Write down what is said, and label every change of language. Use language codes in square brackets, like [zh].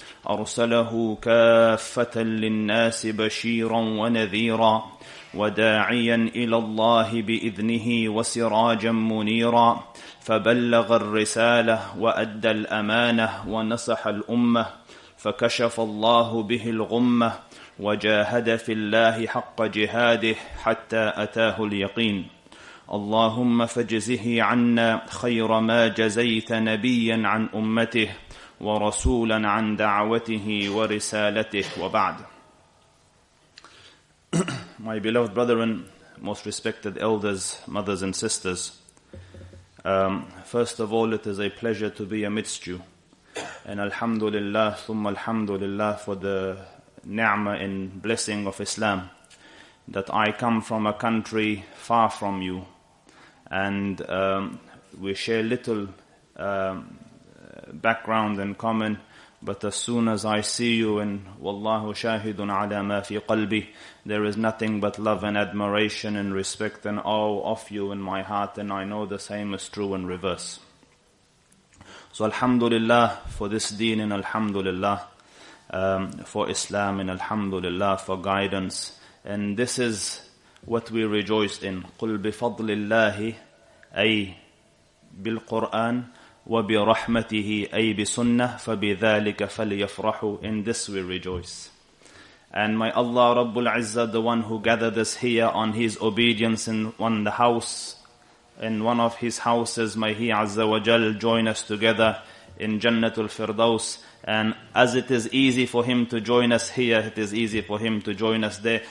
[ar] أرسله كافة للناس بشيرا ونذيرا وداعيا إلى الله بإذنه وسراجا منيرا فبلغ الرسالة وأدى الأمانة ونصح الأمة فكشف الله به الغمة وجاهد في الله حق جهاده حتى أتاه اليقين اللهم فاجزه عنا خير ما جزيت نبيا عن أمته ورسولا عن دعوته ورسالته وبعد. [en] My beloved brethren, most respected elders, mothers and sisters, first of all, it is a pleasure to be amidst you. And alhamdulillah, thumma alhamdulillah for the ni'mah and blessing of Islam, that I come from a country far from you, and we share little background in common, but as soon as I see you, and [ar] wallahu shahidun ala ma fi qalbi, [en] there is nothing but love and admiration and respect and awe of you in my heart, and I know the same is true in reverse. So alhamdulillah for this deen, and alhamdulillah for Islam, and alhamdulillah for guidance. And this is what we rejoice in. [ar] قُلْ بِفَضْلِ اللَّهِ أي بالقرآن وبرحمته أي بسنة فبذلك فليفرحوا. [en] In this we rejoice. And my Allah Rabbul Izzah, the one who gathered us here on His obedience in one the house, in one of His houses, may He Azza wa Jal join us together in Jannatul Firdaus. And as it is easy for Him to join us here, it is easy for Him to join us there.